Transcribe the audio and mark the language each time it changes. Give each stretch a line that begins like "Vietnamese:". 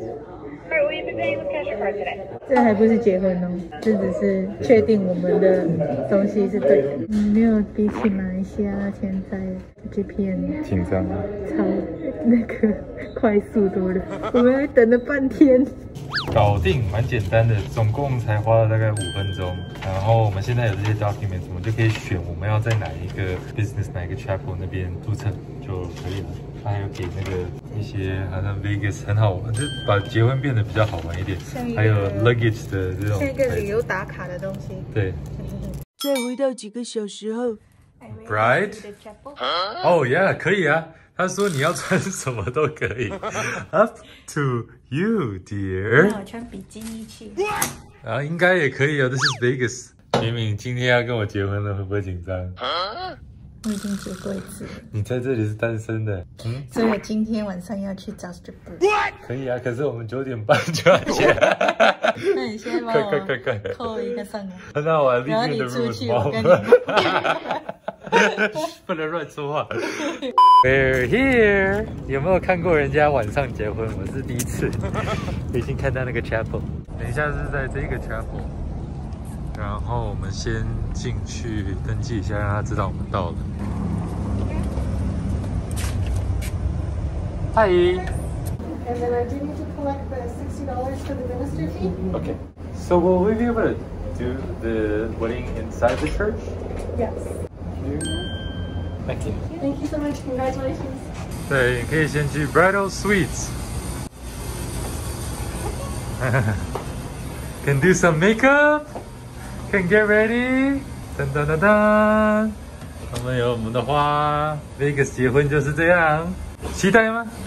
English: Alright, will you be paying with cash or card today?
Chinese: 这还不是结婚哦，这只是确定我们的东西是对的。没有比起马来西亚现在 GPN 紧张，超那个快速多了。我们还等了半天。搞定，蛮简单的，总共才花了大概5分钟。然后我们现在有这些 documents， 我们就可以选我们要在哪一个 business， 哪一个 chapel 那边注册就可以了。他还有给那个一些好像 Vegas 很好玩，就把结婚变得比较好玩一点。还有 luggage 的这种，像一个旅游打卡的东西。对。再回到几个小时后
English: ，Bride， 哦、oh, yeah，
Chinese: 可以啊。他说你要穿什么都可以，
English: Up to you， dear。
Chinese: 我穿比基尼去。啊，应该也可以啊。
English: This is Vegas。
Chinese: 明明今天要跟我结婚了，会不会紧张？我已经结过一次。你在这里是单身的，所以我今天晚上要去 Justin Bieber。可以啊，可是我们九点半就要去。那你先帮我扣一个上来。那我立定的 rules。然后你出去，我跟你。不能乱说话。
English: We're here。
Chinese: 有没有看过人家晚上结婚？我是第一次，已经看到那个 chapel。等一下是在这个 chapel。然后我们先进去登记一下，让他知道我们到了。嗨。
English: And then I do need to collect the $60 for the minister fee. Okay. So will we be able to do the wedding inside the church? Yes. Thank you. Thank you so much. Congratulations.
Chinese: 对，你可以先去 Bridal Suites.
English: Can do some makeup. Can get ready，
Chinese: 噔噔噔噔，我们有我们的花 ，Vegas 结婚就是这样，期待吗？